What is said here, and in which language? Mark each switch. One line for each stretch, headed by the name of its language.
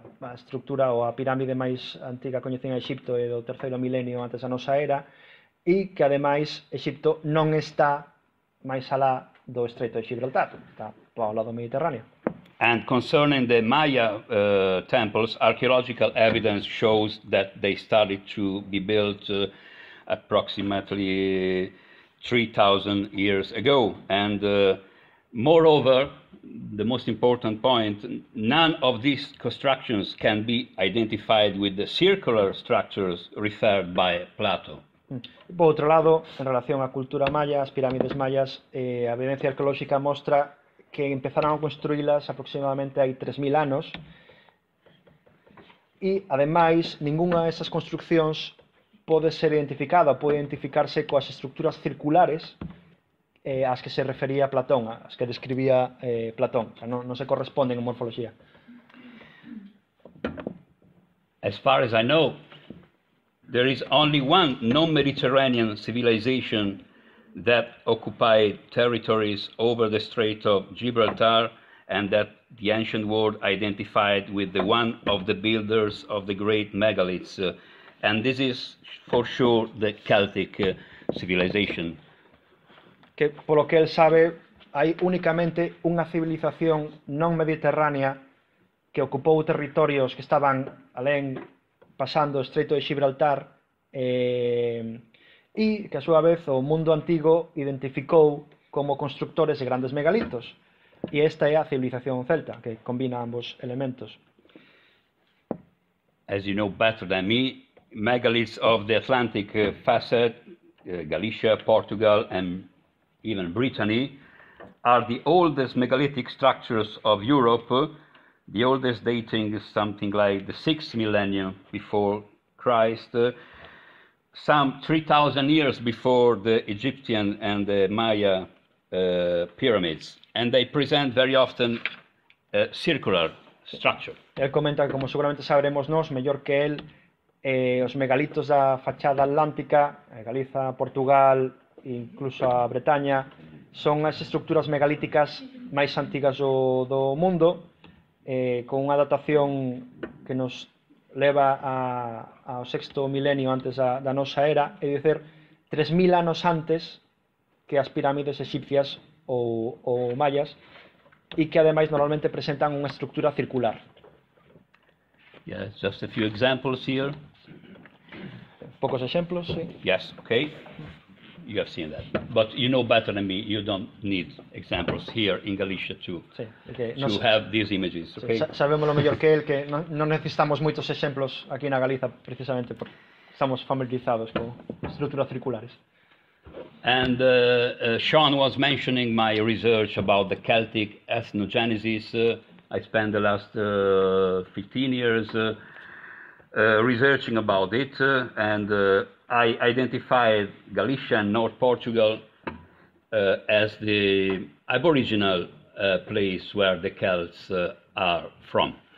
Galician: A estructura ou a pirámide máis antiga coñecida en Egipto é do terceiro milenio antes da nosa era e que ademais Egipto non está máis alá do estreito de Gibraltar, está ao lado mediterráneo.
English: And concerning the Maya temples, archaeological evidence shows that they started to be built approximately 3000 years ago and moreover, the most important point, none of these constructions can be identified with the circular structures referred by Plato.
Spanish: Por otro lado, en relación a cultura maya, las pirámides mayas, la evidencia arqueológica muestra que empezaron a construirlas aproximadamente hay 3000 años. Y además, ninguna de esas construcciones puede ser identificada, puede identificarse con las estructuras circulares as que se refería a Platón, as que describía Platón, o sea, no se corresponden en morfología.
English: As far as I know, there is only one non-Mediterranean civilization that occupied territories over the Strait of Gibraltar and that the ancient world identified with the one of the builders of the great megaliths, and this is for sure the Celtic civilization.
Spanish: Que por lo que él sabe, hay únicamente una civilización no mediterránea que ocupó territorios que estaban além pasando estreito de Gibraltar y que a su vez o mundo antiguo identificó como constructores de grandes megalitos. Y esta es la civilización celta, que combina ambos elementos.
English: As you know better than me, megaliths of the Atlantic facet, Galicia, Portugal and even Brittany, are the oldest megalithic structures of Europe, the oldest dating is something like the 6th millennium before Christ, some 3,000 years before the Egyptian and the Maya pyramids, and they present very often a circular structure.
Spanish: Él comenta, como seguramente sabremos nos, mejor que él, los megalitos da fachada atlántica, Galiza, Portugal, incluso a Bretaña,
Galician: son as estructuras megalíticas máis antigas do mundo, con unha datación que nos leva ao sexto milenio antes da nosa era, é dicir, 3000 anos antes que as pirámides egipcias ou mayas, e que ademais normalmente presentan unha estructura circular.
English: Yeah, just a few examples here.
Spanish: Pocos exemplos, sí.
English: Yes, okay. You have seen that, but you know better than me. You don't need examples here in Galicia to have these images. Okay.
Spanish: Sabemos lo mejor que él que no necesitamos muchos ejemplos aquí en Galicia, precisamente porque estamos familiarizados con estructuras circulares.
English: And Sean was mentioning my research about the Celtic ethnogenesis. I spent the last 15 years researching about it, and I identified Galicia and North Portugal as the aboriginal place where the Celts are from.